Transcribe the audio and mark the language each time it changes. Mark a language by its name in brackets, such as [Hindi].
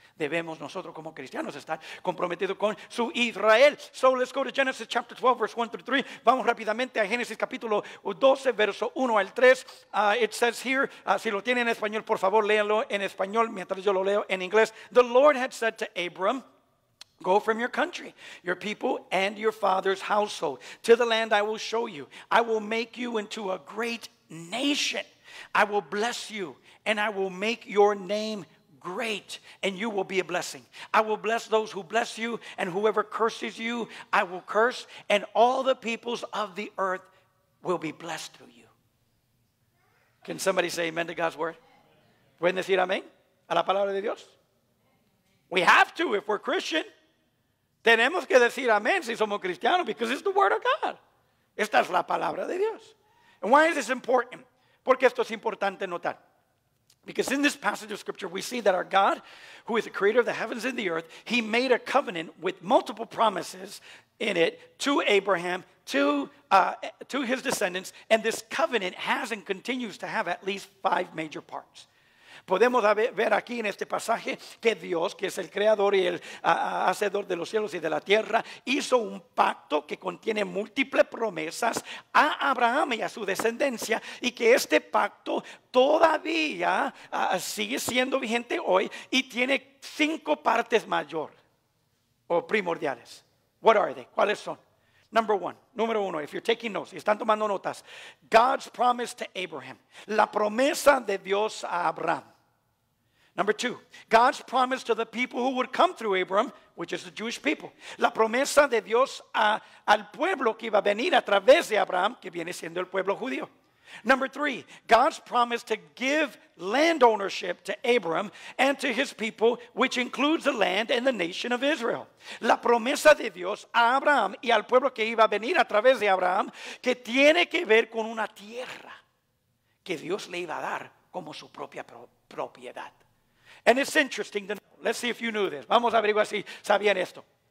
[Spanish] Debemos nosotros como cristianos estar comprometidos con su Israel. [English] So let's go to Genesis chapter 12, verse 1 through 3. [Spanish] Vamos rápidamente a Génesis capítulo 12, verso 1 al 3. [English] It says here, [Spanish] si lo tienen en español, por favor, léanlo en español mientras yo lo leo en inglés. [English] The Lord had said to Abram, go from your country, your people, and your father's household to the land I will show you. I will make you into a great nation. I will bless you, and I will make your name great, and you will be a blessing. I will bless those who bless you, and whoever curses you, I will curse, and all the peoples of the earth will be blessed through you. Can somebody say amen to God's word? [Spanish] ¿Pueden decir amén a la palabra de Dios? [English] We have to if we're Christian. [Spanish] Tenemos que decir amén si somos cristianos, [English] because it's the word of God. [Spanish] Esta es la palabra de Dios. [English] And why is this important? [Spanish] Porque esto es importante notar. [English] Because in this passage of scripture, we see that our God, who is the creator of the heavens and the earth, he made a covenant with multiple promises in it to Abraham, to his descendants. And this covenant has and continues to have at least five major parts. [Spanish] Podemos ver aquí en este pasaje que Dios, que es el creador y el hacedor de los cielos y de la tierra, hizo un pacto que contiene múltiples promesas a Abraham y a su descendencia, y que este pacto todavía sigue siendo vigente hoy y tiene cinco partes mayor o primordiales. [English] What are they? [Spanish] ¿Cuáles son? [English] Number one, [Spanish] número uno, [English] if you're taking notes, [Spanish] si están tomando notas, [English] God's promise to Abraham, [Spanish] la promesa de Dios a Abraham. [English] Number two, God's promise to the people who would come through Abraham, which is the Jewish people, [Spanish] la promesa de Dios al pueblo que iba a venir a través de Abraham, que viene siendo el pueblo judío. [English] Number three, God's promise to give land ownership to Abram and to his people, which includes the land and the nation of Israel. [Spanish] La promesa de Dios a Abraham y al pueblo que iba a venir a través de Abraham, que tiene que ver con una tierra que Dios le iba a dar como su propia propiedad. [English] And it's interesting to know. Let's see if you knew this. [Spanish] Vamos a averiguar si sabían esto.